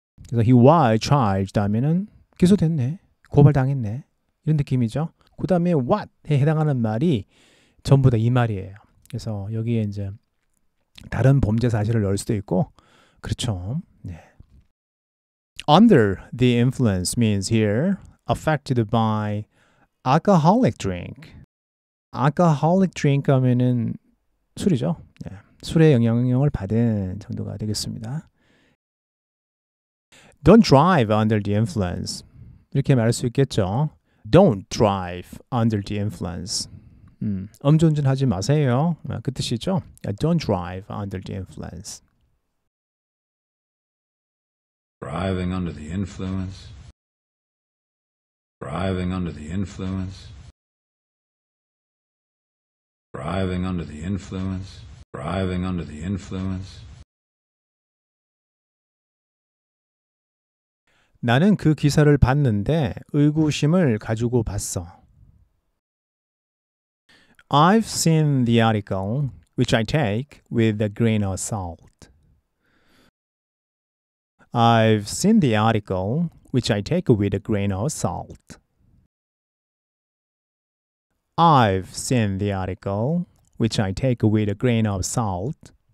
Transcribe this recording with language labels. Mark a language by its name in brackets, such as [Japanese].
[Korean] 그래서 [English] he was charged [Korean] 하면은 기소됐네. 고발당했네. 이런 느낌이죠. 그 다음에 what에 해당하는 말이 전부 다 이 말이에요. 그래서 여기에 이제 다른 범죄 사실을 넣을 수도 있고 그렇죠. 네. [English] Under the influence means here affected by alcoholic drink. [Korean] Alcoholic drink 하면은 술이죠. 네. 술의 영향력을 받은 정도가 되겠습니다. [English] Don't drive under the influence. [Korean] 이렇게 말할 수 있겠죠. [English] Don't drive under the influence. [Korean] 음주운전하지 마세요. 그 뜻이죠. [English] Don't drive under the influence. Driving under the influence. Driving under the influence. Driving under the influence. Driving under the influence. [Korean] 나는 그 기사를 봤는데 의구심을 가지고 봤어. [English] I've seen the article which I take with a grain of salt. I've seen the article, which I take with a grain of salt. I've seen the article, which I take with a grain of salt.